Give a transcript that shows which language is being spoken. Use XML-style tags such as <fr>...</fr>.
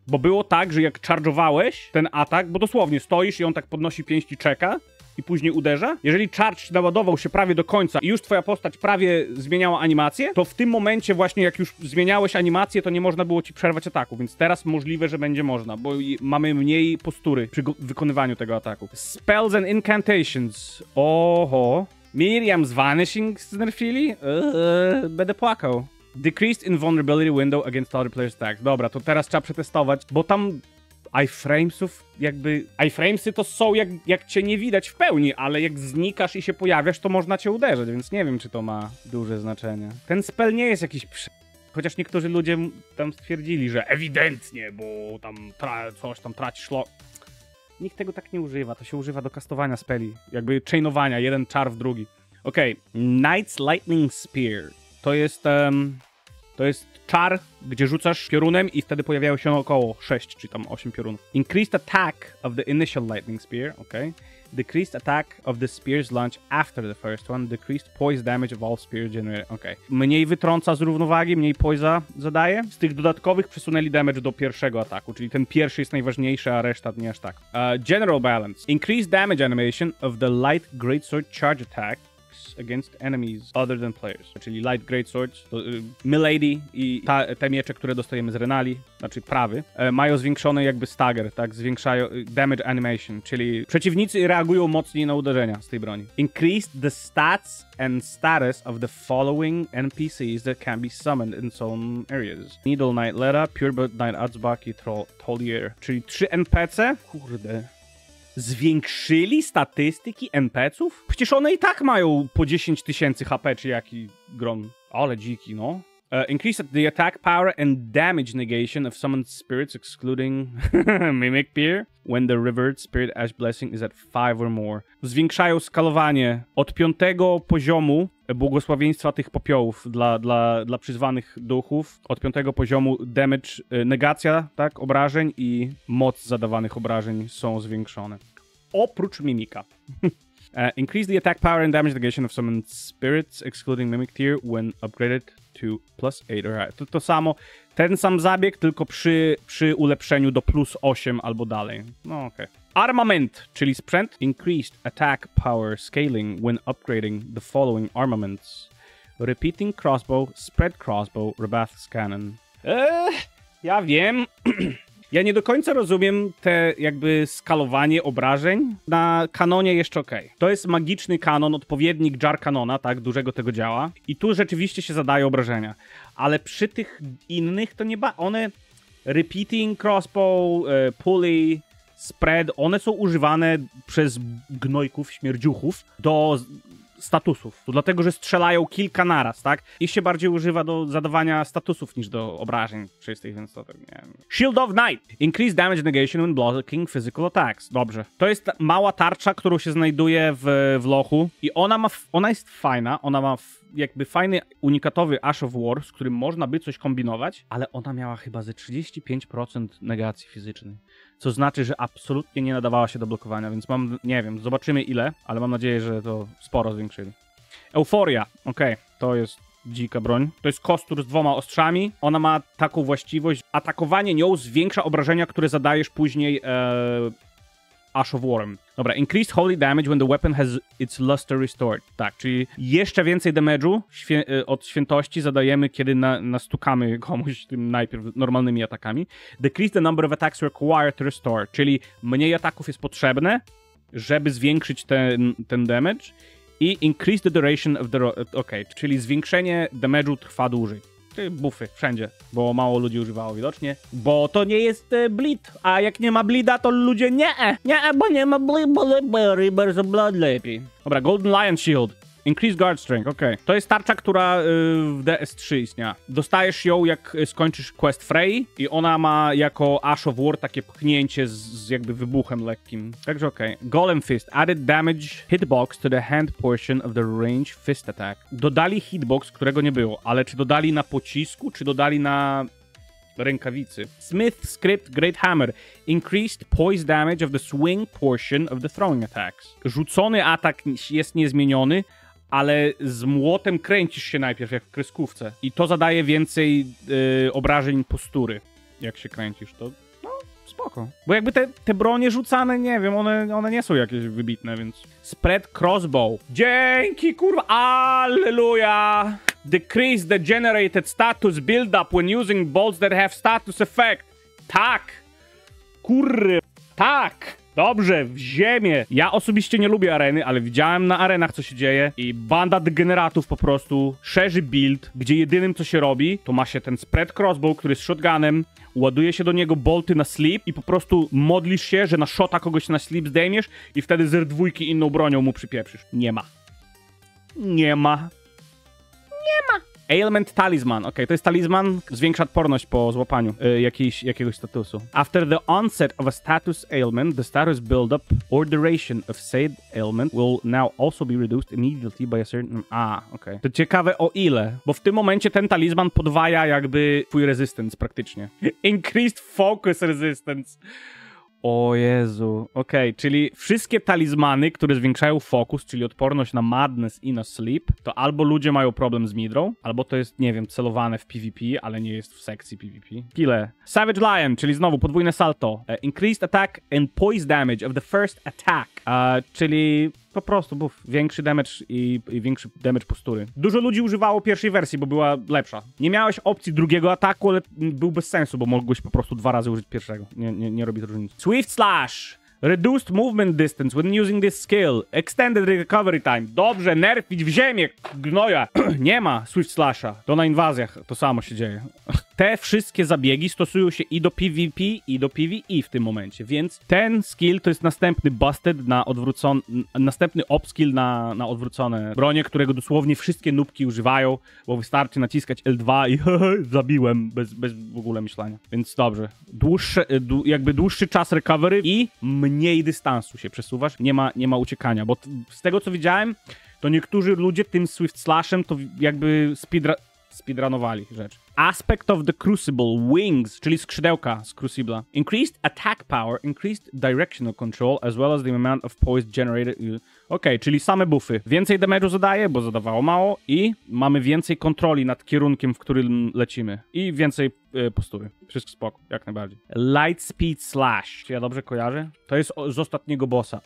<pl>Bo było tak, że jak charge'owałeś ten atak, bo dosłownie stoisz i on tak podnosi pięść i czeka i później uderza. Jeżeli charge naładował się prawie do końca i już twoja postać prawie zmieniała animację, to w tym momencie właśnie jak już zmieniałeś animację, to nie można było ci przerwać ataku, więc teraz możliwe, że będzie można, bo mamy mniej postury przy wykonywaniu tego ataku.</pl> <en>Spells and incantations.</en> <pl>Oho. Miriam z Vanishing znerfili? Będę płakał.</pl> <en>Decreased invulnerability window against other players' attacks.</en> <pl>Dobra, to teraz trzeba przetestować, bo tam... iframesów jakby... iframesy to są jak cię nie widać w pełni, ale jak znikasz i się pojawiasz, to można cię uderzyć, więc nie wiem, czy to ma duże znaczenie. Ten spell nie jest jakiś chociaż niektórzy ludzie tam stwierdzili, że ewidentnie, bo tam coś tam traci szlo... Nikt tego tak nie używa, to się używa do kastowania spelli, jakby chainowania, jeden czar w drugi. Okej, okay. Knight's Lightning Spear. To jest czar, gdzie rzucasz piorunem i wtedy pojawiają się około 6 czy tam 8 piorunów.</pl> <en>Increased attack of the initial lightning spear, okej. Okay. Decreased attack of the spear's launch after the first one. Decreased poise damage of all spears generated, okej. Okay.</en> <pl>Mniej wytrąca z równowagi, mniej poise'a zadaje. Z tych dodatkowych przesunęli damage do pierwszego ataku, czyli ten pierwszy jest najważniejszy, a reszta nie aż tak.</pl> <en>General balance. Increased damage animation of the light greatsword charge attack against enemies other than players.</en> <pl>Czyli Light Greatsword, Milady i te miecze, które dostajemy z Renali, znaczy prawy, mają zwiększony jakby stagger, tak? Zwiększają damage animation, czyli przeciwnicy reagują mocniej na uderzenia z tej broni.</pl> <en>Increase the stats and status of the following NPCs that can be summoned in some areas. Needle Knight Lera, Purebred Knight Atzbaki, Tollier.</en> <pl>Czyli trzy NPC? Kurde. Zwiększyli statystyki NPC-ów? Przecież one i tak mają po 10 tysięcy HP, czy jaki grom. Ale dziki, no.</pl> <en>Increased the attack power and damage negation of summoned spirits excluding Mimic Peer when the revered spirit Ash Blessing is at 5 or more.</en> <pl>Zwiększają skalowanie od 5 poziomu błogosławieństwa tych popiołów dla przyzwanych duchów. Od 5 poziomu damage, negacja, tak, obrażeń i moc zadawanych obrażeń są zwiększone. Oprócz Mimika.</pl> <en>increase the attack power and damage negation of summoned spirits excluding Mimic Tear when upgraded to plus 8 or higher.</en> <pl>To samo, ten sam zabieg, tylko przy ulepszeniu do plus 8 albo dalej. No okej. Okay. Armament, czyli sprzęt.</pl> <en>Increased attack power scaling when upgrading the following armaments. Repeating crossbow, spread crossbow, Rebath's cannon.</en> <pl>Ja wiem. Ja nie do końca rozumiem te jakby skalowanie obrażeń. Na kanonie jeszcze okej. Okay. To jest magiczny kanon, odpowiednik jar kanona, tak, dużego tego działa. I tu rzeczywiście się zadaje obrażenia. Ale przy tych innych to nie ba... One... Repeating crossbow, pulley, spread, one są używane przez gnojków, śmierdziuchów do statusów. To dlatego, że strzelają kilka naraz, tak? I się bardziej używa do zadawania statusów niż do obrażeń czystych, więc to tak nie wiem.</pl> <en>Shield of Knight. Increased damage negation when blocking physical attacks.</en> <pl>Dobrze. To jest mała tarcza, którą się znajduje w lochu i ona ma... ona jest fajna. Ona ma jakby fajny, unikatowy Ash of War, z którym można by coś kombinować, ale ona miała chyba ze 35% negacji fizycznej. Co znaczy, że absolutnie nie nadawała się do blokowania, więc mam, nie wiem, zobaczymy ile, ale mam nadzieję, że to sporo zwiększyli. Euforia, okej, okay, to jest dzika broń. To jest kostur z dwoma ostrzami. Ona ma taką właściwość, atakowanie nią zwiększa obrażenia, które zadajesz później Ash of War'em.</pl> <en>Dobra, increased holy damage when the weapon has its luster restored.</en> <pl>Tak, czyli jeszcze więcej damage'u od świętości zadajemy, kiedy nastukamy komuś tym najpierw normalnymi atakami.</pl> <en>Decrease the number of attacks required to restore.</en> <pl>Czyli mniej ataków jest potrzebne, żeby zwiększyć ten damage.</pl> <en>I increase the duration of the...</en> <pl>Okej, okay, czyli zwiększenie damage'u trwa dłużej. Buffy, wszędzie, bo mało ludzi używało widocznie, bo to nie jest bleed, a jak nie ma bleeda, to ludzie nie, bo nie ma bleed, bo Reaper's of Blood lepiej. Dobra, Golden Lion Shield.</pl> <en>Increased guard strength,</en> <pl>okej. Okay. To jest tarcza, która w DS3 istniała. Dostajesz ją, jak skończysz quest Frey i ona ma jako Ash of War takie pchnięcie z jakby wybuchem lekkim. Także okej. Okay. Golem Fist.</pl> <en>Added damage hitbox to the hand portion of the range fist attack.</en> <pl>Dodali hitbox, którego nie było, ale czy dodali na pocisku, czy dodali na rękawicy.</pl> <en>Smith Script Great Hammer. Increased poise damage of the swing portion of the throwing attacks.</en> <pl>Rzucony atak jest niezmieniony, ale z młotem kręcisz się najpierw, jak w kreskówce. I to zadaje więcej obrażeń postury, jak się kręcisz. To, no, spoko. Bo jakby te bronie rzucane, nie wiem, one nie są jakieś wybitne, więc... Spread crossbow. Dzięki, kurwa! Alleluja!</pl> <en>Decrease the generated status build-up when using bolts that have status effect.</en> <pl>Tak! Kurwa! Tak! Dobrze, w ziemię. Ja osobiście nie lubię areny, ale widziałem na arenach, co się dzieje. I banda degeneratów po prostu szerzy build, gdzie jedynym, co się robi, to ma się ten spread crossbow, który jest shotgunem, ładuje się do niego bolty na sleep i po prostu modlisz się, że na shota kogoś na sleep zdejmiesz i wtedy z R2 inną bronią mu przypieprzysz. Nie ma. Nie ma. Nie ma. Ailment Talisman. Okej, okay, to jest talisman, zwiększa odporność po złapaniu jakiegoś statusu.</pl> <en>After the onset of a status ailment, the status buildup or duration of said ailment will now also be reduced immediately by a certain...</en> <pl>okej. Okay. To ciekawe o ile, bo w tym momencie ten talisman podwaja jakby twój resistance praktycznie.</pl> <en>Increased focus resistance.</en> <pl>O Jezu, okej, okay, czyli wszystkie talizmany, które zwiększają fokus, czyli odporność na madness i na sleep, to albo ludzie mają problem z midrą, albo to jest, nie wiem, celowane w PvP, ale nie jest w sekcji PvP. Pile. Savage Lion, czyli znowu podwójne salto.</pl> <en>Increased attack and poise damage of the first attack.</en> <pl>Czyli po prostu buff, większy damage i większy damage postury. Dużo ludzi używało pierwszej wersji, bo była lepsza. Nie miałeś opcji drugiego ataku, ale był bez sensu, bo mogłeś po prostu dwa razy użyć pierwszego. Nie robi to różnicy. Swift Slash.</pl> <en>Reduced movement distance when using this skill. Extended recovery time.</en> <pl>Dobrze, nerfić w ziemię, gnoja. Nie ma Swift Slasha. To na inwazjach to samo się dzieje. Te wszystkie zabiegi stosują się i do PvP, i do PvE w tym momencie, więc ten skill to jest następny busted na odwrócone, następny upskill na odwrócone bronie, którego dosłownie wszystkie nubki używają, bo wystarczy naciskać L2 i zabiłem, bez w ogóle myślenia. Więc dobrze, dłuższy czas recovery i mniej dystansu się przesuwasz, nie ma uciekania, bo z tego co widziałem, to niektórzy ludzie tym Swift Slashem to jakby speedrunowali rzecz. Aspect of the Crucible, wings, czyli skrzydełka z Crucible.</pl> <en>Increased attack power, increased directional control, as well as the amount of poise generated.</en> <pl>Okay, czyli same buffy. Więcej damage'u zadaje, bo zadawało mało i mamy więcej kontroli nad kierunkiem, w którym lecimy. I więcej postury. Wszystko spoko, jak najbardziej. Lightspeed Slash. Czy ja dobrze kojarzę? To jest z ostatniego bossa.</pl>